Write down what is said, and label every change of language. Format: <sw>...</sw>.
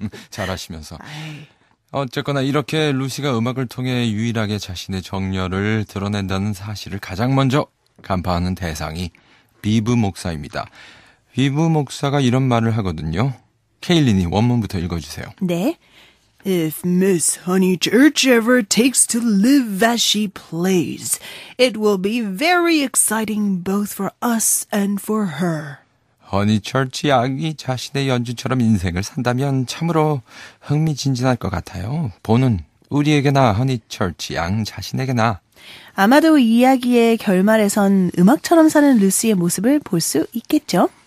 <ko>잘하시면서. 어쨌거나 이렇게 루시가 음악을 통해 유일하게 자신의 정열을 드러낸다는 사실을 가장 먼저 간파하는 대상이 비브 목사입니다. 비브 목사가 이런 말을 하거든요. 케일린이 원문부터 읽어주세요. 네.</ko> <en>If Miss Honeychurch ever takes to live as she plays, it will be very exciting both for us and for her.</en> <ko>허니처치 악이 자신의 연주처럼 인생을 산다면 참으로 흥미진진할 것 같아요. 보는 우리에게나 허니처치 양 자신에게나. 아마도 이야기의 결말에선 음악처럼 사는 루시의 모습을 볼 수 있겠죠?</ko>